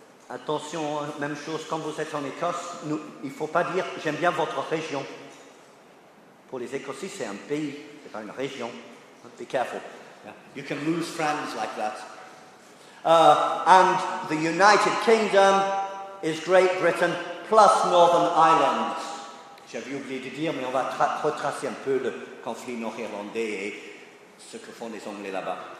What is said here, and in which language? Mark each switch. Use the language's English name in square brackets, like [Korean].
[French] Attention, même chose quand vous êtes en Écosse. Nous, il ne faut pas dire « j'aime bien votre région ». Pour les Écossais, c'est un pays, c'est pas une région. [English] Be careful. Yeah. You can lose friends like that. And the United Kingdom is Great Britain plus Northern Ireland. [French] J'avais oublié de dire, mais on va retracer un peu le conflit nord-irlandais et ce que font les Anglais là-bas.